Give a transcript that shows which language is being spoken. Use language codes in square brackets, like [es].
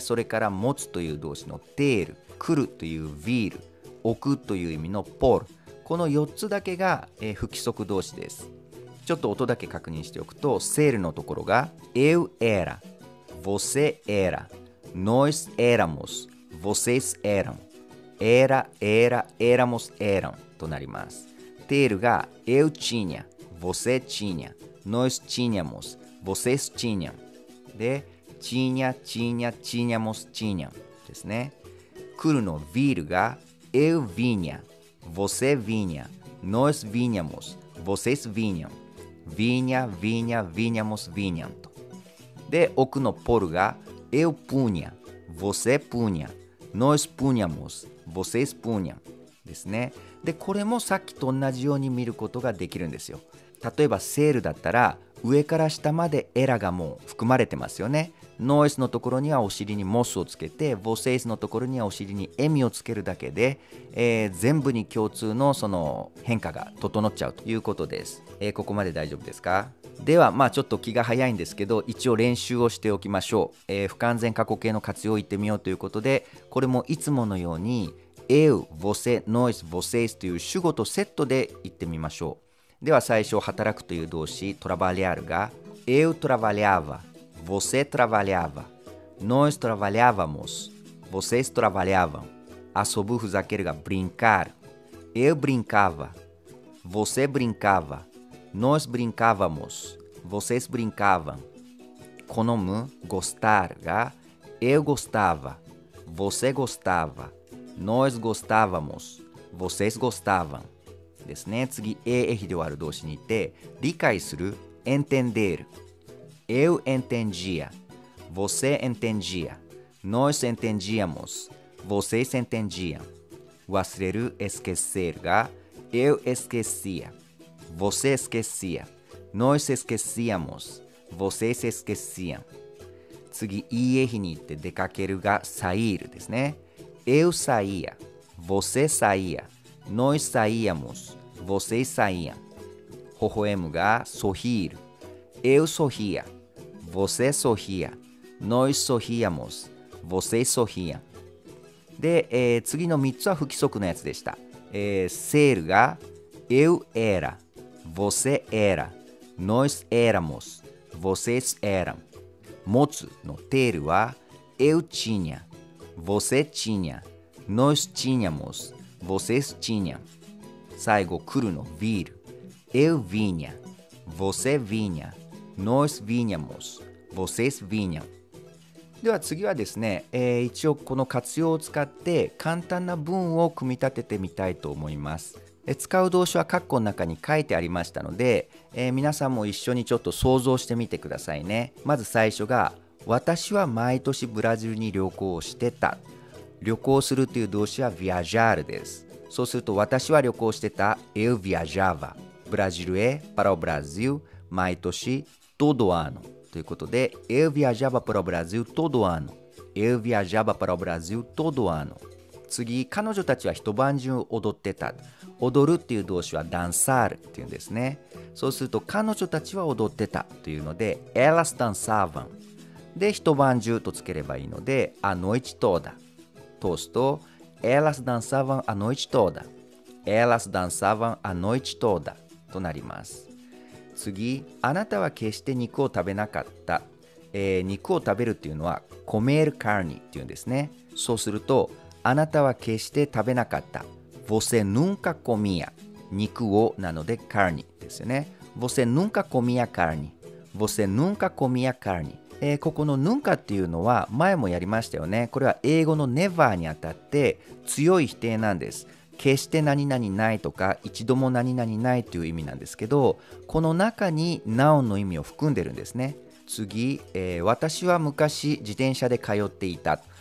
[ja] それから持つという動詞のテール、来るというヴィール、置くという意味のポール、この4つだけが、不規則動詞です。 [pt] ちょっと音だけ確認しておくと、 [ja] セールのところが [pt] eu era、 você era、 nós éramos、 vocês eram、 era、 era、 éramos、 eram [ja] となります。テールが [pt] eu tinha、 você tinha、 nós tínhamos、 vocês tinham で、 tinha、 tinha、 tínhamos、 tinham ですね。 [ja] 来るのヴィールが [pt] eu vinha、você vinha、 nós vinhamos、 vocês vinham、 vinha、 vinha、 vinhamos、 vinham と。 [ja] で、奥のポルが [pt] eu punha、 você punha、 nós punhamos、 vocês punham ですね。 [ja] で、これもさっきと同じように見ることができるんですよ。例えばセールだったら上から下までエラがもう含まれてますよね。ノイスのところにはお尻にモスをつけて、ボセイスのところにはお尻にエミをつけるだけで、全部に共通のその変化が整っちゃうということです。ここまで大丈夫ですか。では、ちょっと気が早いんですけど一応練習をしておきましょう。不完全過去形の活用をいってみようということで、これもいつものようにエウ、ボセ、ノイス、ボセイスという主語とセットでいってみましょう。では最初、働くという動詞トラバリアルが [pt] eu trabalhava、você trabalhava、nós trabalhávamos、vocês trabalhavam。 [ja] 遊ぶ、ふざけるが [pt] brincar、 eu brincava、 você brincava、 nós brincávamos、 vocês brincavam。好む、 gostar が eu gostava、 você gostava、 nós gostávamos、 vocês gostavam。 [ja] ですね。次、エーエヒで終わる動詞にて、理解する、 [pt] entender、eu entendia、você entendia、nós entendíamos、vocês entendiam、 [ja] 忘れる、 [pt] esquecer が、eu esquecia、você esquecia、nós esquecíamos、vocês esqueciam。 [ja] 次、いいえ日に行って出かけるが、sair ですね。 [pt] eu saía、você saía、nós saíamos、vocês saíam。微笑むが、sorrir、eu sorria、você sorria、nós sorríamos、vocês sorriam。 [ja] で、次の3つは不規則のやつでした。 [pt] ser が、eu era、você era、nós éramos、vocês eram。持つのテールは、eu tinha、você tinha、nós tínhamos、vocês tinham。最後、来るの vir、eu vinha、você vinha、nós vinhamos、vocês vinham。 [ja] では次はですね、一応この活用を使って簡単な文を組み立ててみたいと思います。使う動詞は括弧の中に書いてありましたので、皆さんも一緒にちょっと想像してみてくださいね。まず最初が、私は毎年ブラジルに旅行をしてた。旅行するという動詞は viajar です。そうすると、私は旅行してた、 [pt] eu viajava、 [ja] ブラジルへ、 [pt] para o Brasil、 [ja] 毎年、 [pt] todo ano、 [ja] ということで、 [pt] eu viajava para o Brasil todo ano、 eu viajava para o Brasil todo ano。 [ja] 次、彼女たちは一晩中踊ってた。踊るっていう動詞は dançar っていうんですね。そうすると、彼女たちは踊ってたというので、 [pt] elas dançavam [ja] で一晩中とつければいいので、 [pt] a noite toda とすと、 elas dançavam a noite toda、 elas dançavam a noite toda となります。 [ja] 次、あなたは決して肉を食べなかった。肉を食べるっていうのは、comer carne っていうんですね。そうすると、あなたは決して食べなかった。 [pt] você nunca comia、 [ja] 肉を、なので carne ですよね。 [pt] você nunca comia carne、você nunca comia carne。 [ja] ここの nunca っていうのは、前もやりましたよね。これは英語の never にあたって、強い否定なんです。決して何々ないとか、一度も何々ないという意味なんですけど、この中に noun の意味を含んでるんですね。次、私は昔自転車で通っていた。